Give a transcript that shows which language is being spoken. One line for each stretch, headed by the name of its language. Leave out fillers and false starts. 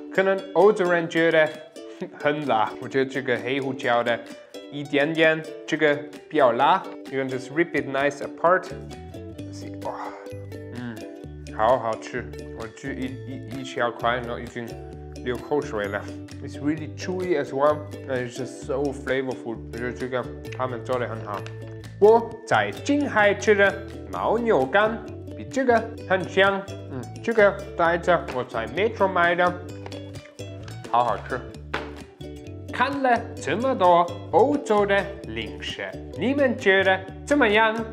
Chinese: 可能欧洲人觉得很辣，我觉得这个黑胡椒的一点点，这个比较辣。
English: You can just rip it nice apart. See,
Chinese: 哇，好好吃。我吃一小块，然后已经流口水了。
English: It's really chewy as well, and it's just so flavorful.
Chinese: 我觉得这个他们做的很好。我在金海吃的牦牛肝比这个很香。这个袋子我在 Metro 买的，好好吃。看了这么多欧洲的零食，你们觉得怎么样？